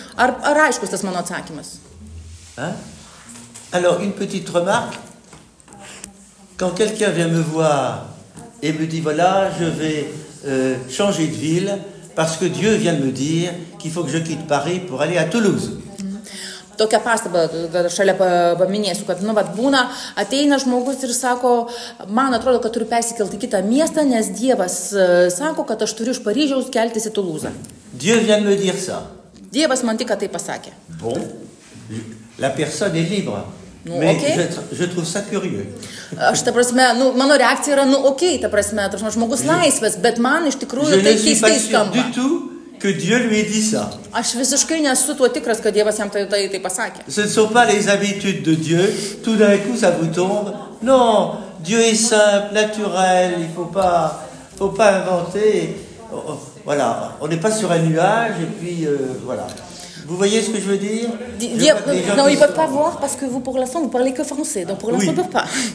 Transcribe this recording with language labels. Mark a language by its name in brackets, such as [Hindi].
[Lithuanian] Ar aiškus tas mano atsakymas? Hein? [French] Alors, une petite remarque. Quand quelqu'un vient me voir et me dit, voilà, je vais changer de ville parce que Dieu vient me dire qu'il faut que je quitte Paris pour aller à Toulouse. [Lithuanian] Tokia pastaba, kad šalia paminėsiu, kad, nu, vat, būna, ateina žmogus ir sako, man atrodo, kad turiu persikelti kitą miestą, nes Dievas sako, kad aš turiu iš Paryžiaus keltis į Toulouse. [French] Dieu vient me dire ça. [Lithuanian] Dievas man tik tai pasakė. [French] Bon, la personne est libre. Nu, mais okay. je trouve ça curieux. [Lithuanian] Aš, ta prasme, nu, mano reakcija yra, nu, okay, ta prasme, tarsime, žmogus laisvas, bet man iš tikrųjų [French] je [Lithuanian] tai keistai skamba. [French] Que Dieu lui ait dit ça. [Lithuanian] Aš visiškai nesu tuo tikras, kad Dievas jam tai pasakė. [French] Ce ne sont pas les habitudes de Dieu. Tout d'un coup, ça vous tombe. Non, Dieu est simple, naturel. Il ne faut pas inventer. Voilà, on n'est pas sur un nuage. Et puis, voilà. Vous voyez ce que je veux dire? Non, ils ne peuvent pas voir parce que vous, pour l'instant, vous parlez que français. Donc, pour l'instant, ils ne peuvent pas.